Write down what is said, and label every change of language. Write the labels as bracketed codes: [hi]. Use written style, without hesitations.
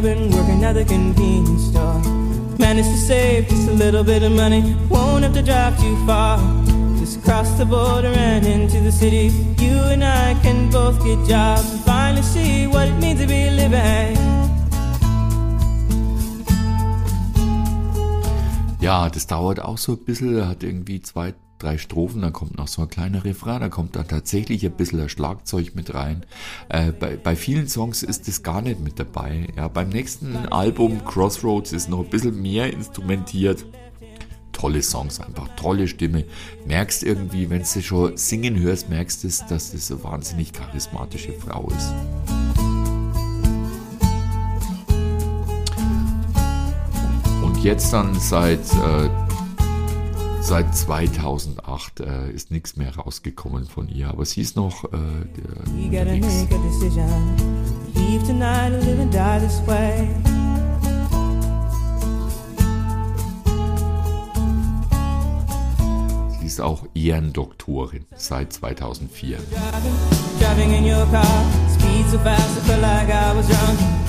[en] Been working at the convenience store. Managed to save just a little bit of money. Won't have to drive too far. Just cross the border and into the city. You and I can both get jobs and finally see what it means to be living. [de] Ja, das dauert auch so ein bisschen. Hat irgendwie 2, 3 Strophen, dann kommt noch so ein kleiner Refrain, dann kommt da tatsächlich ein bisschen ein Schlagzeug mit rein. Bei vielen Songs ist das gar nicht mit dabei. Ja, beim nächsten Album Crossroads ist noch ein bisschen mehr instrumentiert. Tolle Songs, einfach tolle Stimme. Merkst irgendwie, wenn du sie schon singen hörst, merkst du, dass das eine wahnsinnig charismatische Frau ist. Und jetzt dann seit Seit 2008 ist nichts mehr rausgekommen von ihr, aber sie ist noch unterwegs. [en] You gotta make a decision. Leave tonight or live and die this way. [de] Sie ist auch Ehrendoktorin seit 2004. [en] Driving in your car, speed so fast I feel like I was drunk.